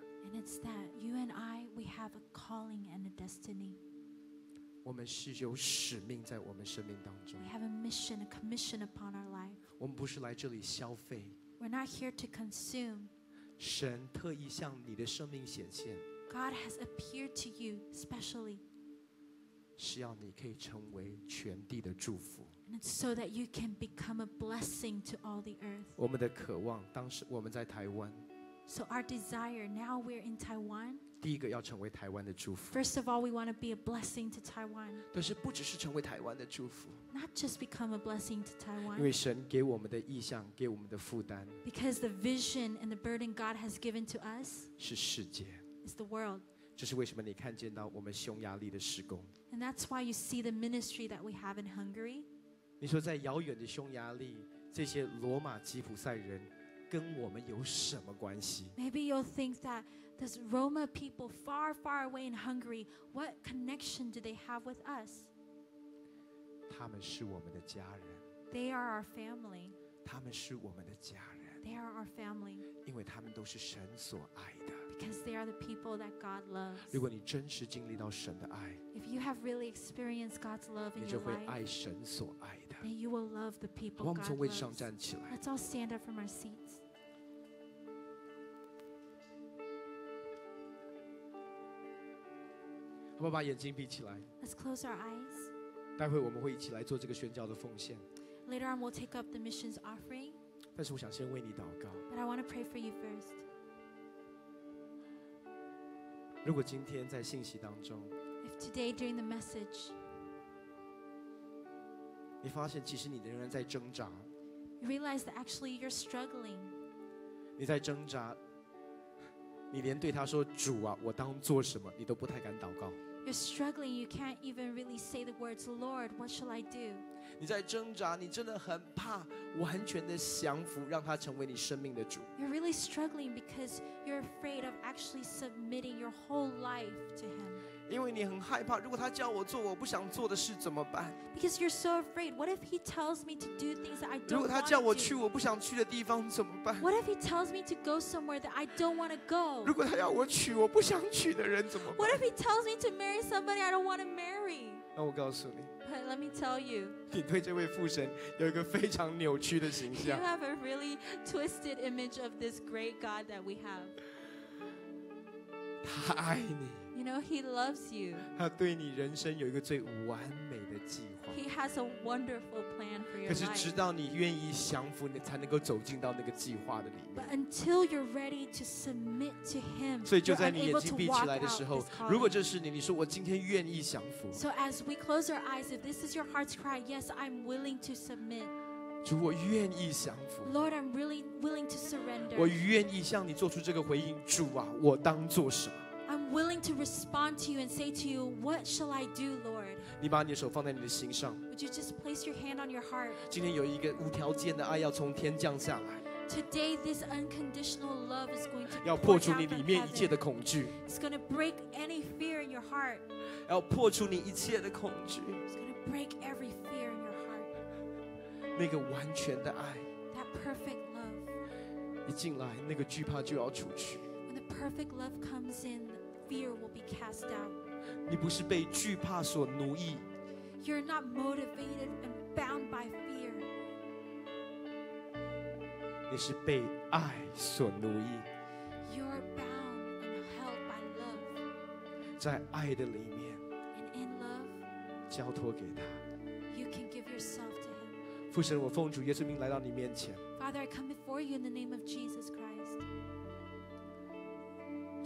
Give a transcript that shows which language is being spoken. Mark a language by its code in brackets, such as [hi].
[en] And it's that you and I, we have a calling and a destiny. [zh] 我们是有使命在我们生命当中。 [en] We have a mission, a commission upon our life. [zh] 我们不是来这里消费。 [en] We're not here to consume. [zh] 神特意向你的生命显现。 [en] God has appeared to you specially. [zh] 是要你可以成为全地的祝福。 [en] And it's so that you can become a blessing to all the earth. [zh] 我们的渴望，当时我们在台湾。 [en] So our desire, now we're in Taiwan. [zh] 第一个要成为台湾的祝福。 [en] First of all, we want to be a blessing to Taiwan. [zh] 但是不只是成为台湾的祝福。 [en] Not just become a blessing to Taiwan. [zh] 因为神给我们的意向，给我们的负担。 [en] Because the vision and the burden God has given to us. [zh] 是世界。 [en] Is the world. [zh] 这是为什么你看见到我们匈牙利的事工。 [en] And that's why you see the ministry that we have in Hungary. [zh] 你说在遥远的匈牙利，这些罗马吉普赛人。跟我们有什么关系？ [en] Maybe you'll think that those Roma people far, far away in Hungary, what connection do they have with us? [zh] 他们是我们的家人。 [en] They are our family. [zh] 他们是我们的家人。 [en] They are our family. [zh] 因为他们都是神所爱的。 [en] Because they are the people that God loves. [zh] 如果你真实经历到神的爱， [en] If you have really experienced God's love in your life, [zh] 你就会爱神所爱的。 [en] Then you will love the people God loves. [zh] 我们从位置上站起来。 [en] Let's all stand up from our seats. [zh] 好不好把眼睛闭起来 [en] Let's close our eyes. [zh] 待会我们会一起来做这个宣教的奉献 [en] Later on, we'll take up the missions offering. [zh] 但是我想先为你祷告 [en] But I want to pray for you first. [zh] 如果今天在信息当中 [en] If today during the message, [zh] 你发现其实你仍然在挣扎 [en] You realize that actually you're struggling. [zh] 你在挣扎你连对他说主啊我当做什么你都不太敢祷告 [en] You're struggling You can't even really say the words Lord what shall I do [zh] 你在挣扎你真的很怕完全的降服让他成为你生命的主 [en] You're really struggling Because you're afraid of actually submitting your whole life to him [zh] 因为你很害怕如果他叫我做我不想做的事怎么办 [en] Because you're so afraid What if he tells me to do things that I don't want to do [zh] 如果他叫我去我不想去的地方怎么办 [en] What if he tells me to go somewhere that I don't want to go [zh] 如果他要我娶我不想娶的人怎么办 [en] What if he tells me to marry somebody I don't want to marry [zh] 那我告诉你 [en] But let me tell you [zh] 你对这位父神有一个非常扭曲的形象 [en] You have a really twisted image of this great God that we have [zh] 他爱你 [en] You know, he loves you. [zh] 他对你人生有一个最完美的计划。 [en] He has a wonderful plan for your life. [zh] 可是直到你愿意降服，你才能够走进到那个计划的里面。 [en] But until you're ready to submit to Him, [zh] 所以就在你眼睛闭起来的时候，如果这是你，你说我今天愿意降服。 [en] So as we close our eyes, if this is your heart's cry, yes, I'm willing to submit. [zh] 主，我愿意降服。 [en] Lord, I'm really willing to surrender. [zh] 我愿意向你做出这个回应。主啊，我当做什么？ [en] I'm willing to respond to you and say to you, what shall I do, Lord? [zh] 你把你的手放在你的心上。 [en] Would you just place your hand on your heart? [zh] 今天有一个无条件的爱要从天降下来。 [en] Today, this unconditional love is going to pour out. [zh] 要破除你里面一切的恐惧。 [en] It's going to break any fear in your heart. [zh] 要破除你一切的恐惧。 [en] It's going to break every fear. [zh] 那个完全的爱 [en] That perfect love. [zh] 一进来那个惧怕就要出去 [en] When the perfect love comes in, fear will be cast out. [zh] 你不是被惧怕所奴役 [en] You're not motivated and bound by fear. [zh] 你是被爱所奴役 [en] You're bound and held by love. [zh] 在爱的里面 [en] And in love, [zh] 交托给他父神，我奉主耶稣名来到你面前。 [en] Father, I come before you in the name of Jesus Christ.